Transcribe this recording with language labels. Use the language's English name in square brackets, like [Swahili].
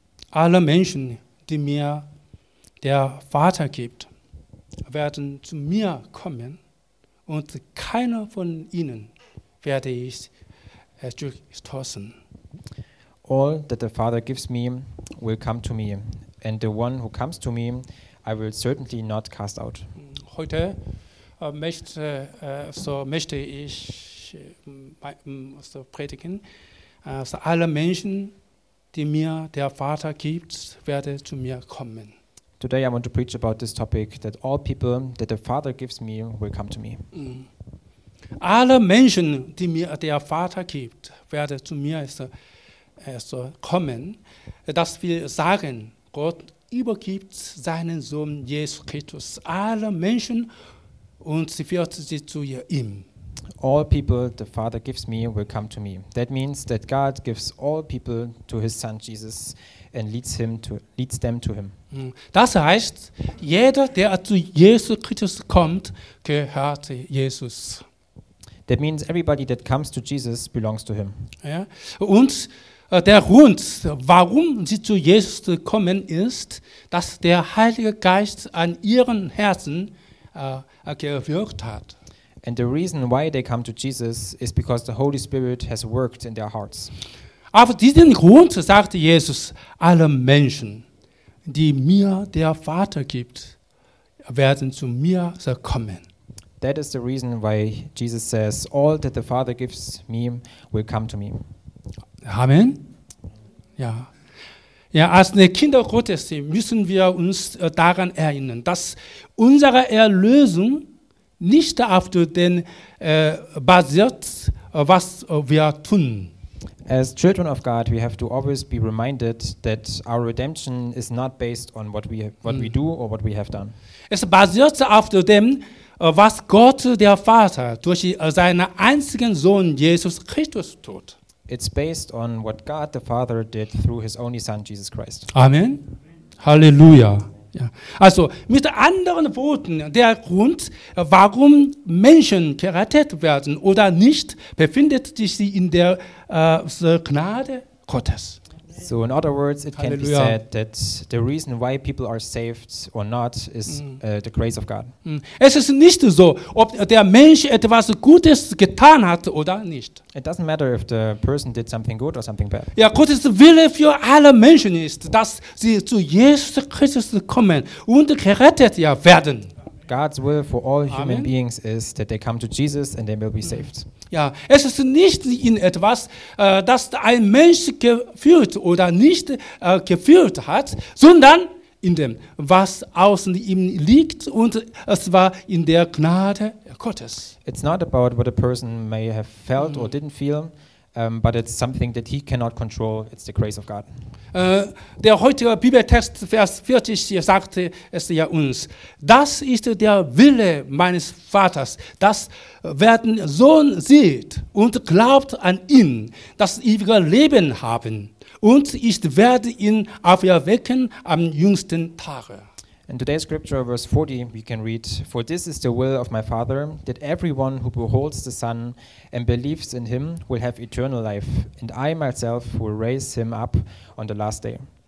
[German] alle Menschen, die mir der Vater gibt, werden zu mir kommen und keiner von ihnen werde ich zurückstoßen. [English] All that the Father gives me will come to me, and the one who comes to me, I will certainly not cast out. [German] Heute möchte ich so predigen, so alle Menschen, die mir der Vater gibt, werde zu mir kommen. [English] Today I want to preach about this topic, that all people that the Father gives me will come to me. [German] Alle Menschen, die mir der Vater gibt, werde zu mir so kommen. Das will sagen, Gott übergibt seinen Sohn Jesus Christus alle Menschen und sie führt sie zu ihm. [English] All people the Father gives me will come to me. That means that God gives all people to his son Jesus and leads them to him. [German] Das heißt, jeder, der zu Jesus Christus kommt, gehört Jesus. [English] That means everybody that comes to Jesus belongs to him. [German] Ja. Und der Grund, warum sie zu Jesus kommen, ist, dass der Heilige Geist an ihren Herzen gewirkt hat. [English] And the reason why they come to Jesus is because the Holy Spirit has worked in their hearts. [German] Auf diesen Grund sagte Jesus, alle Menschen, die mir der Vater gibt, werden zu mir kommen. [English] That is the reason why Jesus says, all that the Father gives me will come to me. [German] Amen. Ja. Ja, als Kinder Gottes müssen wir uns daran erinnern, dass unsere Erlösung nicht auf dem basiert, was wir tun. [English] As children of God, we have to always be reminded that our redemption is not based on what we do or what we have done. [German] Es basiert auf dem, was Gott der Vater durch seinen einzigen Sohn Jesus Christus tut. [English] It's based on what God the Father did through his only son Jesus Christ. [German] Amen. Halleluja. Ja. Also, mit anderen Worten, der Grund, warum Menschen gerettet werden oder nicht, befindet sich in der Gnade Gottes. [English] So, in other words, it Halleluja. Can be said that the reason why people are saved or not is the grace of God. [German] Es ist nicht so, ob der Mensch etwas Gutes getan hat oder nicht. [English] It doesn't matter if the person did something good or something bad. [German] Ja, Gottes Wille für alle Menschen ist, dass sie zu Jesus Christus kommen und gerettet werden. [English] God's will for all human Amen. Beings is that they come to Jesus and they will be saved. [German] Ja, es ist nicht in etwas, das ein Mensch geführt oder nicht geführt hat, sondern in dem, was außen ihm liegt und es war in der Gnade Gottes. [English] It's not about what a person may have felt or didn't feel, but it's something that he cannot control. It's the grace of God. [German] Der heutige Bibeltext, Vers 40, sagt es ja uns, das ist der Wille meines Vaters, dass wer den Sohn sieht und glaubt an ihn, das ewige Leben haben, und ich werde ihn auferwecken am jüngsten Tage. [English] In today's scripture, verse 40, we can read, for this is the will of my Father, that everyone who beholds the Son and believes in him will have eternal life, and I myself will raise him up on the last day.